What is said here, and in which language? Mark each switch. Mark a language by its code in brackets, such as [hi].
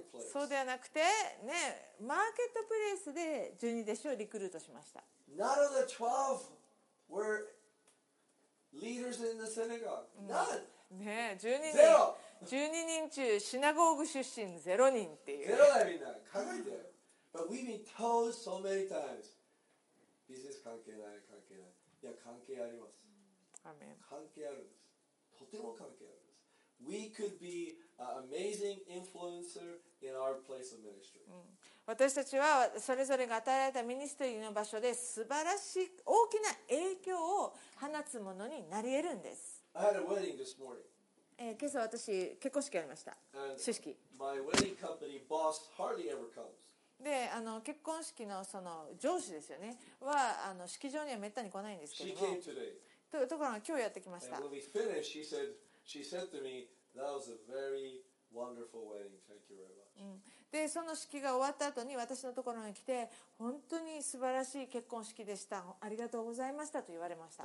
[ja] そうではなくて、ね、マーケットプレイスで十二弟子をリクルートしました。 [en] None of the twelve were leaders in the synagogue. None. [ja] ね、十二人中シナゴーグ出身ゼロ人っていう。ゼロだよみんな。考えて。 [en] But we've been told so many times. [ja] ビジネス関係ない、関係ない、いや関係あります。アメン。関係あるんです。とても関係あるんです。 [en] We could be an amazing influencer in our place of ministry、 [ja] 私たちはそれぞれが与えられたミニストリーの場所で素晴らしい大きな影響を放つものになり得るんです。 [en] I had a wedding this morning、 [ja] 今朝私結婚式ありました。主式。 [en] My wedding company boss hardly ever comes. [ja] で、あの結婚式 その上司ですよね、はあの式場にはめったに来ないんですけども、 [en] She came today. [ja] ところが今日やってきました。 [en] And when we finished, she said to me, "That was a very wonderful wedding. Thank you very much." [ja] で、その式が終わった後に私のところに来て、本当に素晴らしい結婚式でした、ありがとうございましたと言われました。